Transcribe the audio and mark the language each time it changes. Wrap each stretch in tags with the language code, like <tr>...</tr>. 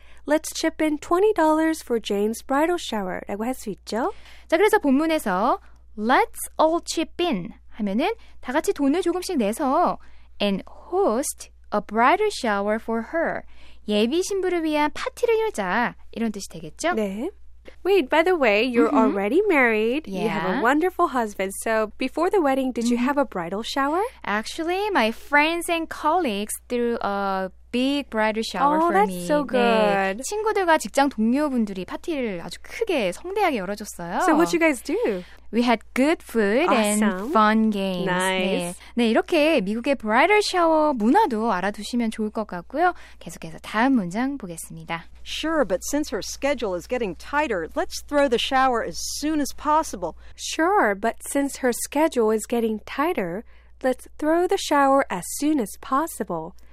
<en>Let's chip in $20 for Jane's bridal shower</en> <ko>라고 할 수 있죠. 자, 그래서 본문에서</ko> <en>Let's all chip in</en> <ko>하면은 다 같이 돈을 조금씩 내서</ko> <en>and host a bridal shower for her.</en> <ko>예비 신부를 위한 파티를 열자 이런 뜻이 되겠죠.</ko> <en>네. Wait, by the way, you're already married. Yeah. You have a wonderful husband. So before the wedding, did you have a bridal shower? Actually, my friends and colleagues threw a big bridal shower for me. Oh, that's so good.</en> <ko>네, 친구들과 직장 동료분들이 파티를 아주 크게, 성대하게 열어줬어요.</ko> <en>So what you guys do? We had good food and fun games. Nice.</en> <ko>네. 네, 이렇게 미국의 bridal shower 문화도 알아두시면 좋을 것 같고요. 계속해서 다음 문장 보겠습니다.</ko> <en>Sure, but since her schedule is getting tighter, let's throw the shower as soon as possible. Sure, but since her schedule is getting tighter, let's throw the shower as soon as possible.</en>